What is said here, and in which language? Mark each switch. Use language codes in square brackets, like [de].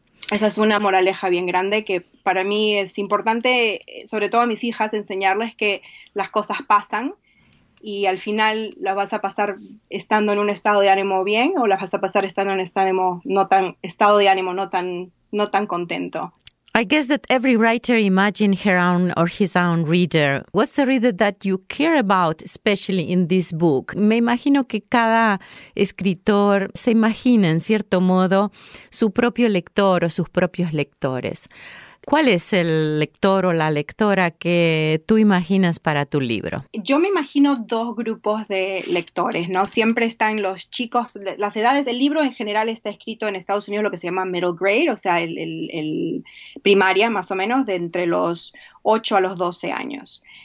[es] Esa es una moraleja bien grande que para mí es importante, sobre todo a mis hijas, enseñarles que las cosas pasan y al final las vas a pasar estando en un estado de ánimo bien o las vas a pasar estando en un estado de ánimo no tan contento. [en] I guess that every writer imagines her own or his own reader. What's the reader that you care about, especially in this book? [es] Me imagino que cada escritor se imagina, en cierto modo, su propio lector o sus propios lectores. ¿Cuál es el lector o la lectora que tú imaginas para tu libro? Yo me imagino dos grupos de lectores, ¿no? Siempre están los chicos, las edades del libro en general está escrito en Estados Unidos lo que se llama middle grade, o sea, el primaria más o menos, de entre los 8 a los 12 años.